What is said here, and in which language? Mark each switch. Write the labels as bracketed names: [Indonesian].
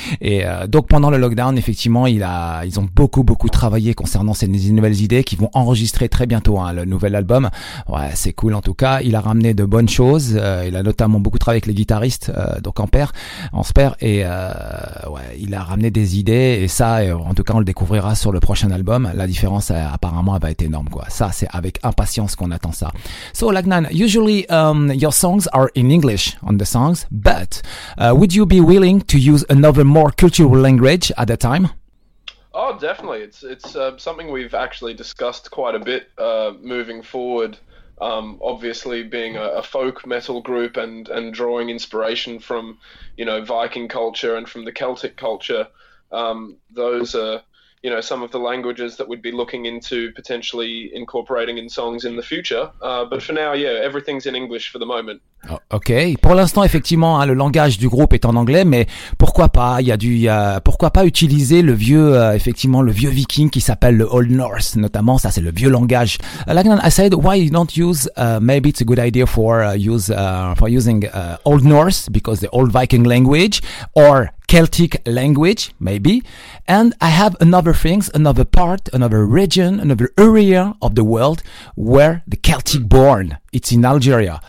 [French] Et donc pendant le lockdown, effectivement, ils ont beaucoup beaucoup travaillé concernant ces nouvelles idées qu'ils vont enregistrer très bientôt, hein, le nouvel album. Ouais, c'est cool en tout cas. Il a ramené de bonnes choses. Il a notamment beaucoup travaillé avec les guitaristes, donc Ampère. Et ouais, il a ramené des idées. Et ça, en tout cas, on le découvrira sur le prochain album. La différence, apparemment, elle va être énorme, quoi. Ça, c'est avec impatience qu'on attend ça. [English] So Lagnan, usually your songs are in English on the songs, but would you be willing to use another more cultural language at the time? Oh, definitely. It's something we've actually discussed quite a bit moving forward. Obviously, being a folk metal group and drawing inspiration from, you know, Viking culture and from the Celtic culture, those are, you know, some of the languages that we'd be looking into potentially incorporating in songs in the future. But for now, yeah, everything's in English for the moment. [French] Ok, pour l'instant, effectivement, hein, le langage du groupe est en anglais, mais pourquoi pas, pourquoi pas utiliser le vieux, effectivement, le vieux viking qui s'appelle le Old Norse, notamment, ça c'est le vieux langage. [English] Lagnan, I said, why you don't use, maybe it's a good idea for using Old Norse, because the old Viking language, or Celtic language, maybe. And I have another things, another part, another region, another area of the world where the Celtic born. It's in Algeria.